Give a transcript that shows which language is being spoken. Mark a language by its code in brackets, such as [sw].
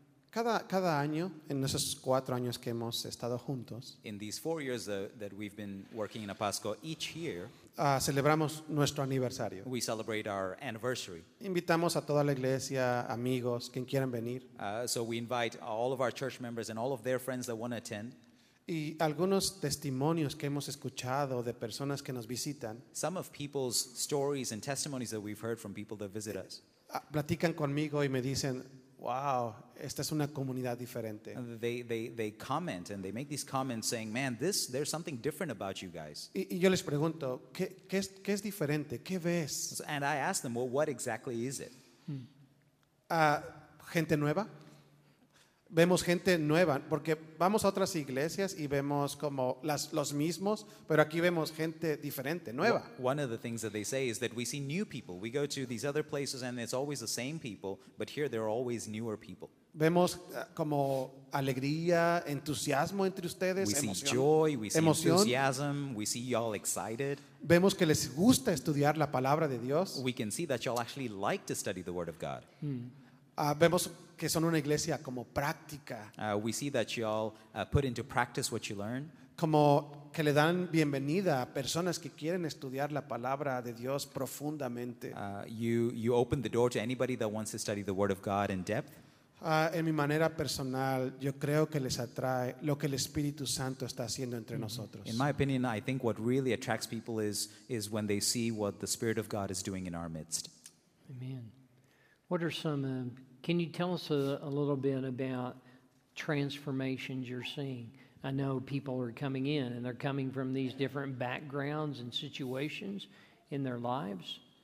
[es] Cada año, en esos 4 años que hemos estado juntos, [en] in these 4 years that we've been working in Apasco, each year, [es] celebramos nuestro aniversario. [en] We celebrate our anniversary. [es] Invitamos a toda la iglesia, amigos, quien quieran venir. [en] So we invite all of our church members and all of their friends that want to attend. [es] Y algunos testimonios que hemos escuchado de personas que nos visitan. [en] Some of people's stories and testimonies that we've heard from people that visit us. [es] Platican conmigo y me dicen, wow, esta es una comunidad diferente. [en] They comment and they make these comments saying, man, this there's something different about you guys. [es] Y yo les pregunto, ¿qué es diferente? ¿Qué ves? [en] And I ask them, well, what exactly is it? [es] Gente nueva. Vemos gente nueva, porque vamos a otras iglesias y vemos como los mismos, pero aquí vemos gente diferente, nueva. [en] One of the things that they say is that we see new people. We go to these other places and it's always the same people, but here there are always newer people. [es] Vemos como alegría, entusiasmo entre ustedes, [en] we [es] emoción. [en] See joy, we see emoción. Enthusiasm, we see y'all excited. [es] Vemos que les gusta estudiar la palabra de Dios. [en] We can see that y'all actually like to study the word of God. [es] Vemos que son una iglesia como práctica. [en] We see that y'all put into practice what you learn. [es] Como que le dan bienvenida a personas que quieren estudiar la palabra de Dios profundamente. [en] You open the door to anybody that wants to study the word of God in depth. [es] En mi manera personal, yo creo que les atrae lo que el Espíritu Santo está haciendo entre nosotros. [en] In my opinion, I think what really attracts people is when they see what the Spirit of God is doing in our midst. Amen. What are some, can you tell us a little bit about transformations you're seeing? I know people are coming in and they're coming from these different backgrounds and situations in their lives.